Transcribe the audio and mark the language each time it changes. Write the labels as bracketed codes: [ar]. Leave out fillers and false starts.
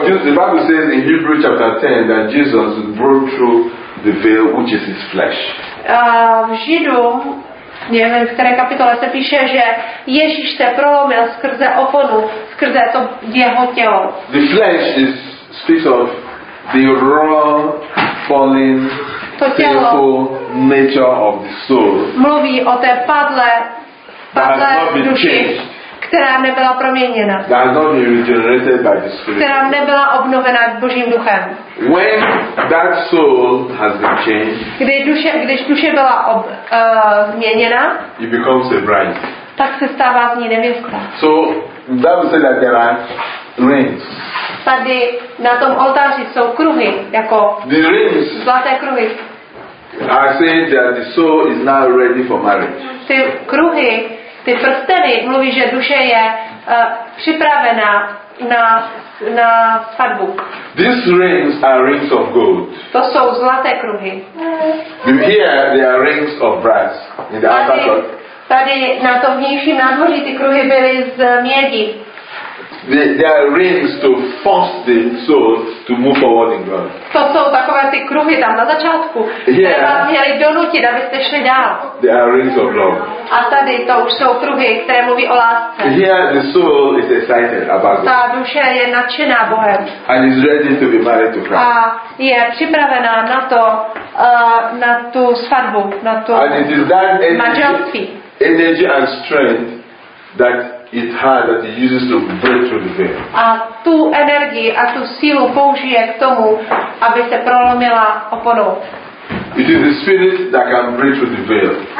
[en] Because the Bible says in Hebrews chapter 10 that Jesus broke through the veil which is his flesh. [cs] V Židům, nevím, v které kapitole se píše, že Ježíš se prolomil skrze oponu, skrze to jeho tělo. [en] The flesh is speaks of the raw, fallen, sinful nature of the soul. [cs] Mluví o té padlé duši, která nebyla proměněna. [en] That has not been regenerated by the Spirit. [cs] Která nebyla obnovena Božím duchem. [en] When that soul has been changed, [cs] když duše byla změněna, [en] it becomes a bride. [cs] Tak se stává z ní nevěsta. [en] So that would say that there are rings. [cs] Tady na tom oltáři jsou kruhy, jako [en] rings, [cs] zlaté kruhy. [en] I say that the soul is now ready for marriage. [cs] Ty kruhy, ty prsteny, mluví, že duše je připravena na svatbu. [en] These rings are rings of gold. [cs] To jsou zlaté kruhy. [en] Here they are rings of brass in the outer court. [cs] Tady na tom vnějším nádvoří ty kruhy byly z mědi. [en] They are rings to force the soul to move forward in God. [cs] To jsou takové ty kruhy tam na začátku, které vás měly donutit, abyste šli dál. [en] They are rings of love. [cs] A tady to už jsou kruhy, které mluví o lásce. [en] Here the soul is excited about God. [cs] Ta duše je nadšená Bohem. [en] And is ready to be married to Christ. [cs] A je připravená na to, na tu svatbu, na tu manželství. [en] Energy and strength that it has, that it uses to break through the veil. [cs] A tu energii a tu sílu použije k tomu, aby se prolomila oponou. [en] It is the spirit that can break through the veil.